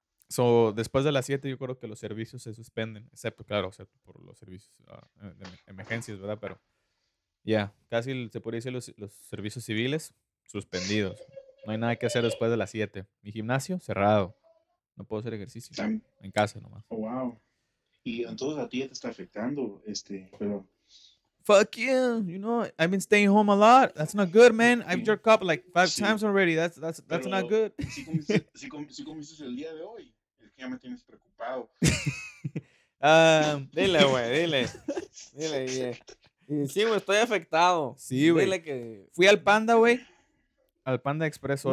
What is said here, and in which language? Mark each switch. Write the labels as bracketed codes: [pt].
[es] So, después de las 7, yo creo que los servicios se suspenden, excepto por los servicios de emergencias, ¿verdad? Pero, casi se podría decir los servicios civiles suspendidos. No hay nada que hacer después de las 7. Mi gimnasio, cerrado. No puedo hacer ejercicio. ¿Sí? En casa nomás. [en] Oh, wow. [es] Y entonces a ti ya te está afectando, pero... [en] Fuck you, you know, I've been staying home a lot. That's not good, man. I've jerked up like 5 times already. That's not good. [es] Si comiste el día de hoy, es que ya me tienes preocupado. Dile, güey, dile. Dile, güey. Sí, güey, estoy afectado. Sí, güey. Dile que... Fui al Panda, güey. al Panda Express hoy.